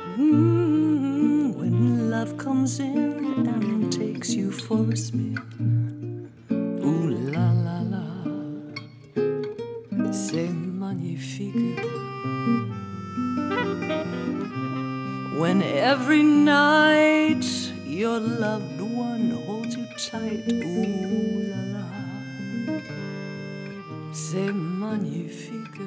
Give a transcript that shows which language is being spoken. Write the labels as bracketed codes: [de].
[en] When love comes in and takes you for a spin. [fr] Ooh la la la, c'est magnifique. [en] When every night your loved one holds you tight. [fr] Ooh la la, c'est magnifique.